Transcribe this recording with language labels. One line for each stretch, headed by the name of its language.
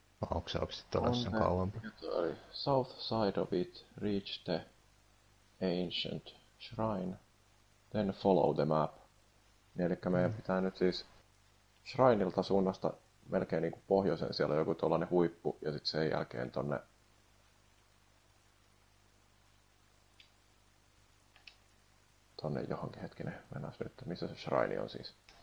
Finnish: Onko se oikeasti tulossa kauempaa?
English: South side of it, reach the ancient shrine, then follow the map.
Finnish: Eli meidän pitää nyt siis shrineilta suunnasta melkein niin kuin pohjoisen, siellä on joku tuollainen huippu, ja sitten sen jälkeen tuonne. Tuonne johonkin hetkinen, mennään nyt, missä se shrine on siis.